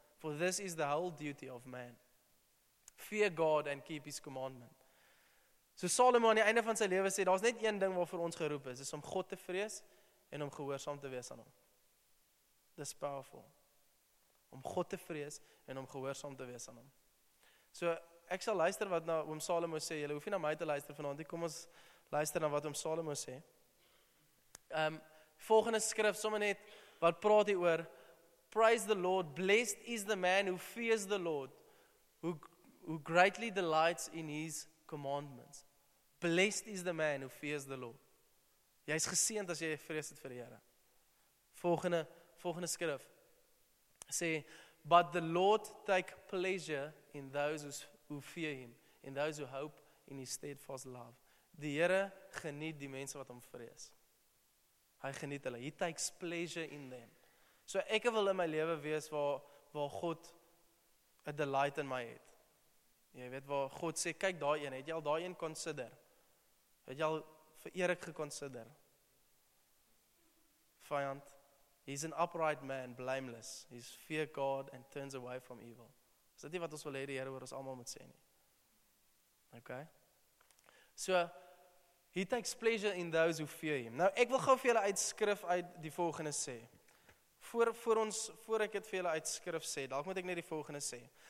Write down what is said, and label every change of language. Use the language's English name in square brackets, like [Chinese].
[English] For this is the whole duty of man. Fear God and keep his commandment. [Afrikaans] So Salomo aan die einde van sy lewe sê, daar is net een ding waarvoor ons geroep is. Is om God te vrees en om gehoorsaam te wees aan hom. Dis powerful. Om God te vrees en om gehoorsaam te wees aan hom. So ek sal luister wat na oom Salomo sê. Julle hoef nie na my te luister vanaand. Kom ons luister na wat oom Salomo sê. Volgende skrif, sommer net, wat praat hier oor, [English] praise the Lord, blessed is the man who fears the Lord, who greatly delights in his commandments. Blessed is the man who fears the Lord. [Afrikaans] Jy is geseend as jy vrees het vir die Here. Volgende skrif, sê, [English] but the Lord take pleasure in those who fear him, in those who hope in his steadfast love. [Afrikaans] Die Here geniet die mense wat hom vrees. Hy geniet hulle. [English] He takes pleasure in them. [Afrikaans] So ek wil in my lewe wees waar God 'n delight in my het. Jy weet waar God sê, kyk daai een, het jy al daai een consider? Het jy al vir Erik geconsider? [English] Vyand, he's an upright man, blameless. He's fear God and turns away from evil. [Afrikaans] Is dit nie wat ons wil hê die Here oor ons almal moet sê nie? [English] Okay? So, he takes pleasure in those who fear him. [Afrikaans] Nou, ek wil gou vir julle uit skrif uit die volgende sê. Voor ek dit vir julle uitskrif sê, dalk moet ek net die volgende sê.